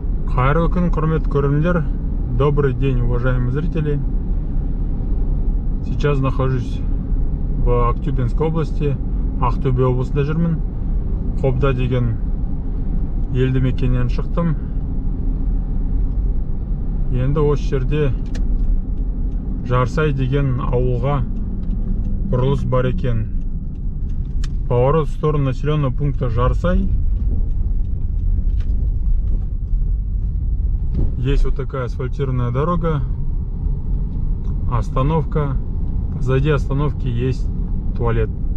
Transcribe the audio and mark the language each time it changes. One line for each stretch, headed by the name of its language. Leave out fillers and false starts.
Kazakh: Қайырлы күн, құрметті көрермендер.
Russian: Добрый день, уважаемые зрители. Сейчас нахожусь в Актюбинской области,
Kazakh: Ақтөбе облысында жүрмін. Қобда деген елді мекеннен шықтым. Енді осы жерде Жарсай деген ауылға бұрылыс бар екен.
Russian: Поворот в сторону населенного пункта Жарсай. Есть вот такая асфальтированная дорога, остановка, позади остановки есть туалет.